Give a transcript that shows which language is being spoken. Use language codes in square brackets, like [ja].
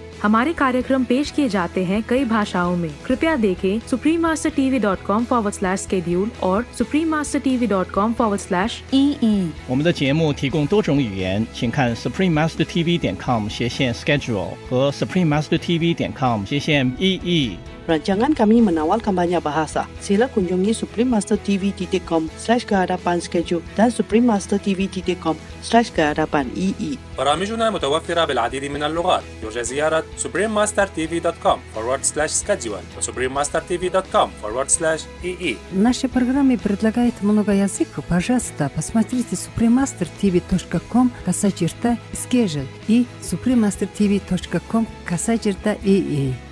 [hi] हमारे कार्यक्रम पेश किए जाते हैं कई भाषाओं में. कृपया देखें suprememastertv.com/schedule और suprememastertv.com/EE. [zh] 我们的节目提供多种语言，请看 suprememastertv.com/schedule 和 suprememastertv.com/EE. [ms] Rancangan kami menawarkan banyak bahasa. Sila kunjungi suprememastertv.com/kehadapan-schedule dan suprememastertv.com/kehadapan-EE. [ar] برامجنا متوفرة بالعديد من اللغات. يرجى زيارة suprememastertv.com/schedule و suprememastertv.com/EE. [ru] Наши программы предлагают много языков. Пожалуйста, посмотрите suprememastertv.com/schedule и suprememastertv.com/EE.